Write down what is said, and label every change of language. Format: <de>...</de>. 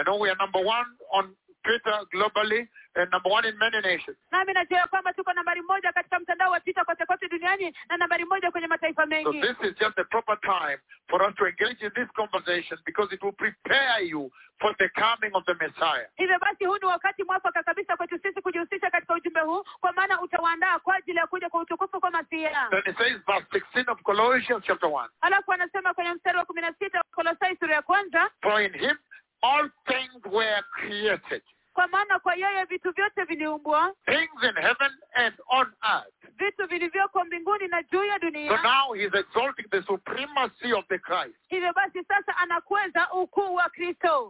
<en>I know we are number one on Twitter globally and number one in many nations.</en> <sw>Nami najua ya kwamba tuko nambari moja katika mtandao wa Twitter kote kote duniani na nambari moja kwenye mataifa mengi.</sw> <en>So this is just the proper time for us to engage in this conversation because it will prepare you for the coming of the Messiah.</en> <sw>Hivyo basi huu ni wakati mwafaka kabisa kwetu sisi kujihusisha katika ujumbe huu kwa maana utawaandaa kwa ajili ya kuja kwa utukufu kwa Masiha.</sw> <en>Then it says verse 16 of Colossians chapter 1.</en> <sw>Alafu anasema kwenye mstari wa 16 wa Kolosai sura ya kwanza.</sw> <en>For in him all things were created.</en> <sw>Kwa maana kwa yeye vitu vyote viliumbwa.</sw> <en>Things in heaven and on earth.</en> <sw>Vitu vilivyoko mbinguni na juu ya dunia.</sw> <en>So now he's exalting the supremacy of the Christ.</en> <sw>Hivyo basi sasa anakweza ukuu wa Kristo.</sw>